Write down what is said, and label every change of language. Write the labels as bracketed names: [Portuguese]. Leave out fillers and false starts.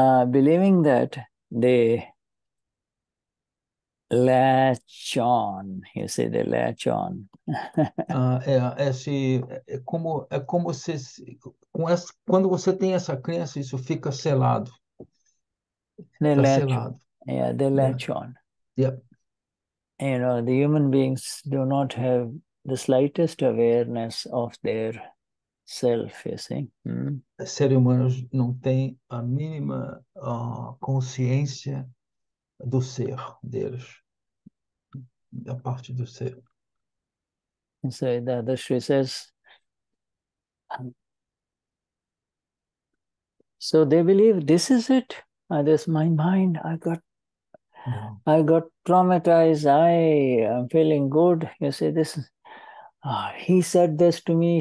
[English] believing that they latch on, you say they latch on. [Portuguese] é como se, com essa, quando você tem essa crença, isso fica selado. [English] They [Portuguese] Tá [English] latch, [Portuguese] selado. [English] Yeah, they latch on. Yep. You know, the human beings do not have the slightest awareness of their self, you see. [Portuguese] Os seres humanos não têm a mínima consciência do ser deles, da parte do ser. [English] And so the Dadashri says, so they believe this is it. This my mind. I got traumatized. I'm feeling good. You say this. He said this to me.